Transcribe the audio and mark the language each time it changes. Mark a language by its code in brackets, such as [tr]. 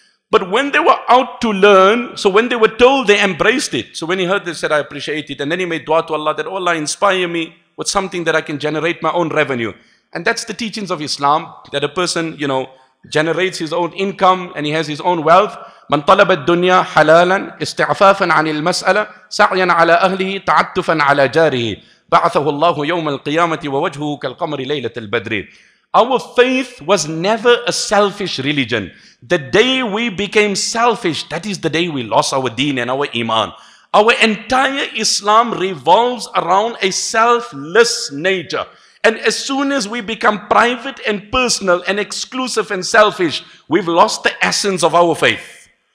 [en] But when they were out to learn, so when they were told, they embraced it. So when he heard this, said, I appreciate it. And then he made dua to Allah that, oh Allah, inspire me with something that I can generate my own revenue. And that's the teachings of Islam, that a person, you know, generates his own income and he has his own wealth. [ar] من طلب الدنيا حلالا استعفافا عن المسألة سعيا على أهله تعطفا على جاره بعثه الله يوم القيامة ووجهه كالقمر ليلة البدر. [en] Our faith was never a selfish religion. The day we became selfish, that is the day we lost our deen and our iman. Our entire Islam revolves around a selfless nature. And as soon as we become private and personal and exclusive and selfish, we've lost the essence of our faith.